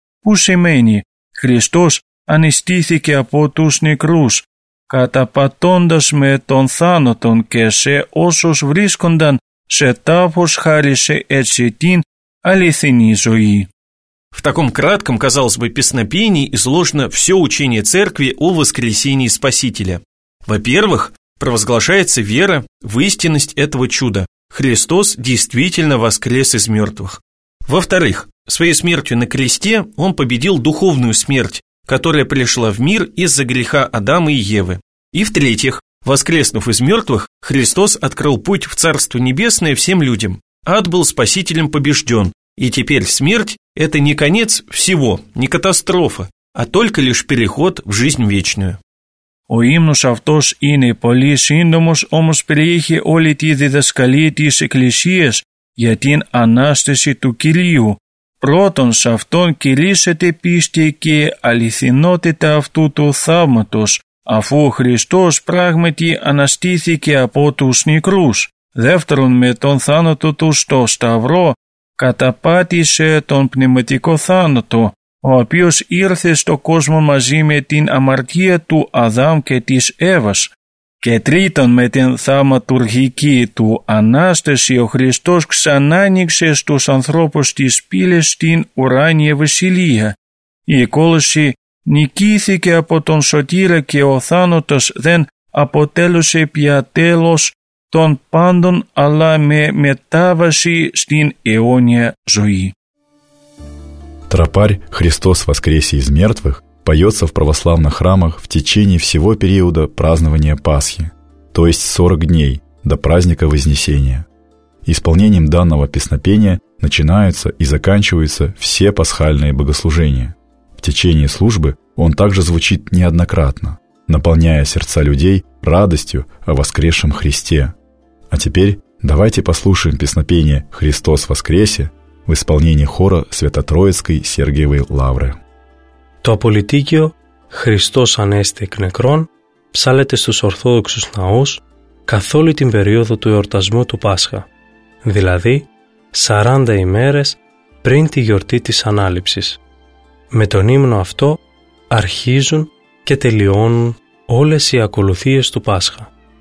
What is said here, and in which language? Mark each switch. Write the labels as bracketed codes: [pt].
[el] Που σημαίνει «Χριστός ανεστήθηκε από τους νεκρούς, καταπατώντας με τον θάνατον και σε όσους βρίσκονταν σε τάφος χάρισε έτσι την αληθινή ζωή». [ru] В таком кратком, казалось бы, песнопении изложено все учение церкви о воскресении Спасителя. Во-первых, провозглашается вера в истинность этого чуда. Христос действительно воскрес из мертвых. Во-вторых, своей смертью на кресте он победил духовную смерть, которая пришла в мир из-за греха Адама и Евы. И в-третьих, воскреснув из мертвых, Христос открыл путь в Царство Небесное всем людям. Ад был Спасителем побежден, и теперь смерть – это не конец всего, не катастрофа, а только лишь переход в жизнь вечную. [el] Ο ύμνος αυτός είναι πολύ σύντομος, όμως περιέχει όλη τη διδασκαλία της Εκκλησίας για την Ανάσταση του Κυρίου. Πρώτον, σε αυτόν κηρύσσεται πίστη και αληθινότητα αυτού του θαύματος, Αφού ο Χριστός πράγματι αναστήθηκε από τους νεκρούς, δεύτερον με τον θάνατο του στο Σταυρό, καταπάτησε τον πνευματικό θάνατο, ο οποίος ήρθε στο κόσμο μαζί με την αμαρτία του Αδάμ και της Εύας. Και τρίτον με την θαυματουργική του Ανάσταση ο Χριστός ξανάνοιξε στους ανθρώπους τις πύλες στην ουράνια βασιλεία. Η κόλαση νικήθηκε από τον Σωτήρα και ο θάνατος δεν αποτέλεσε πια τέλος των πάντων αλλά με μετάβαση στην αιώνια ζωή. [ru] Тропарь «Христос воскресе из мертвых» поется в православных храмах в течение всего периода празднования Пасхи, то есть 40 дней до праздника Вознесения. Исполнением данного песнопения начинаются и заканчиваются все пасхальные богослужения. В течение службы он также звучит неоднократно, наполняя сердца людей радостью о воскресшем Христе. А теперь давайте послушаем песнопение «Христос воскресе» в исполнении хора Свято-Троицкой Сергиевой Лавры. [el] Το απολυτίκιο «Χριστός Ανέστη εκ νεκρών» ψάλεται στους Ορθόδοξους ναούς καθ' όλη την περίοδο του εορτασμού του Πάσχα, δηλαδή 40 ημέρες πριν τη γιορτή της Ανάληψης. Με τον ύμνο αυτό αρχίζουν και τελειώνουν όλες οι ακολουθίες του Πάσχα.